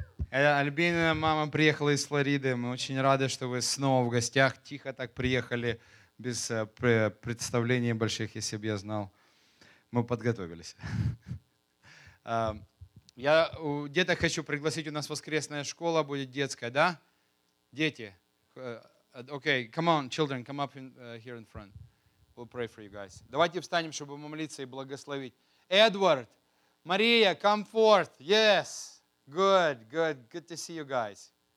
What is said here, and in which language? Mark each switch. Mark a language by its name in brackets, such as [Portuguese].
[Russian] Альбина, мама приехала из Флориды. Мы очень рады, что вы снова в гостях. Тихо так приехали, без представлений больших, если бы я знал. Мы подготовились. Я где-то хочу пригласить, у нас воскресная школа будет детская, да? Дети. [English] Okay, come on, children, come up in, here in front. We'll pray for you guys. [Russian] Давайте встанем, чтобы молиться и благословить. Эдвард, Мария, [English] come forth. Yes, good, good, good to see you guys.